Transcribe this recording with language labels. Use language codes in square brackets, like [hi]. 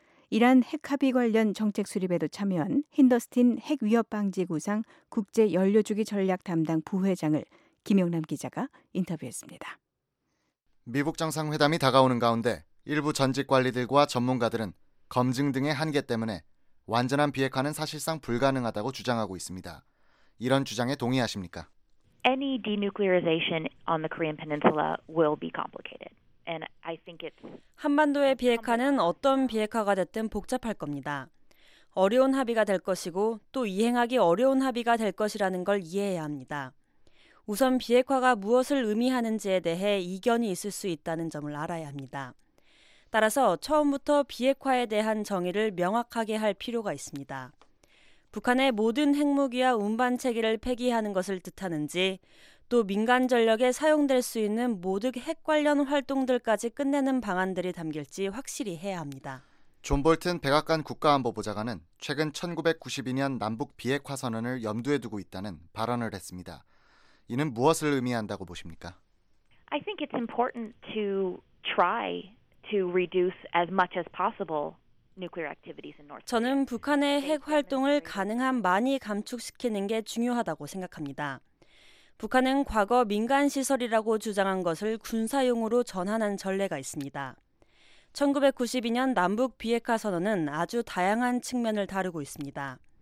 [ko] 이란 핵합의 관련 정책 수립에도 참여한 힌더스틴 핵위협방지 구상 국제연료주기 전략 담당 부회장을 김영남 기자가 인터뷰했습니다. 미북 정상회담이 다가오는 가운데 일부 전직 관리들과 전문가들은 검증 등의 한계 때문에 완전한 비핵화는 사실상 불가능하다고 주장하고 있습니다. 이런 주장에 동의하십니까? [en] Any denuclearization on the Korean Peninsula will be complicated. And I think it's [ko] 한반도의 비핵화는 어떤 비핵화가 됐든 복잡할 겁니다. 어려운 합의가 될 것이고 또 이행하기 어려운 합의가 될 것이라는 걸 이해해야 합니다. 우선 비핵화가 무엇을 의미하는지에 대해 이견이 있을 수 있다는 점을 알아야 합니다. 따라서 처음부터 비핵화에 대한 정의를 명확하게 할 필요가 있습니다. 북한의 모든 핵무기와 운반 체계를 폐기하는 것을 뜻하는지, 또 민간 전력에 사용될 수 있는 모든 핵 관련 활동들까지 끝내는 방안들이 담길지 확실히 해야 합니다. 존 볼튼 백악관 국가안보보좌관은 최근 1992년 남북 비핵화 선언을 염두에 두고 있다는 발언을 했습니다. 이는 무엇을 의미한다고 보십니까? [en] I think it's important to try to reduce as much as possible nuclear activities in North Korea. [ko] 저는 북한의 핵 활동을 가능한 많이 감축시키는 게 중요하다고 생각합니다. 북한은 과거 민간 시설이라고 주장한 것을 군사용으로 전환한 전례가 있습니다. 1992년 남북 비핵화 선언은 아주 다양한 측면을 다루고 있습니다.